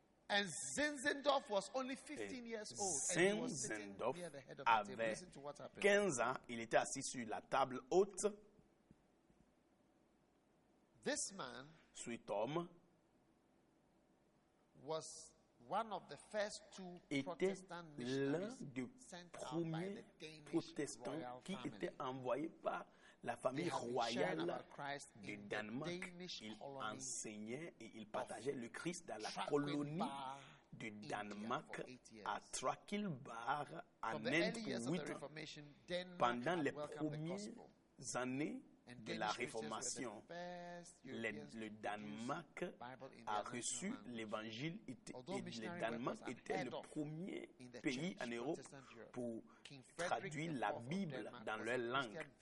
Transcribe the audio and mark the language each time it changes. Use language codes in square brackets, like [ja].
[en] And Zinzendorf was only 15 years old. [fr] Zinzendorf avait 15 ans. Il était assis sur la table haute. [en] This man, sweet [fr] homme, [en] was one of the first two Protestant missionaries sent out by the Danish royal family. [fr] Qui était envoyé par la famille royale du Danemark. Il enseignait et il partageait le Christ dans la colonie du Danemark à Trakilbar en Inde pour 8 ans. Pendant les premières années de la Réformation, le Danemark a reçu l'évangile et le Danemark était le premier pays en Europe pour traduire la Bible dans leur langue.